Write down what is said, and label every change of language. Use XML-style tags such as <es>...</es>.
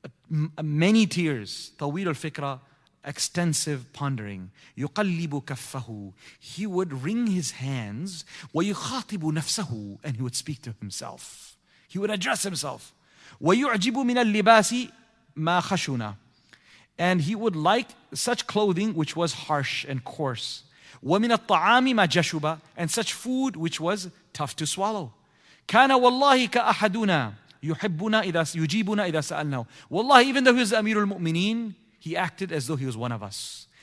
<en>Many tears.</en> <ar>طويل الفكرة,</ar> <en>extensive pondering.</en> <ar>يقلب كفه.</ar> <en>He would wring his hands.</en> <ar>ويخاطب نفسه.</ar> <en>And he would speak to himself. He would address himself.</en> <ar>ويعجب من اللباس ما خشونا.</ar> <en>And he would like such clothing which was harsh and coarse.</en> <ar>وَمِنَ الطَّعَامِ مَا جَشُبَ.</ar> <en>And such food which was tough to swallow.</en> <ar>كَانَ وَاللَّهِ كَأَحَدُنَا يُحِبُّنَا إِذَا يُجِيبُنَا إِذَا سَأَلْنَا.</ar> <en>Wallahi, even though he was Amirul Mu'mineen, he acted as though he was one of us.</en>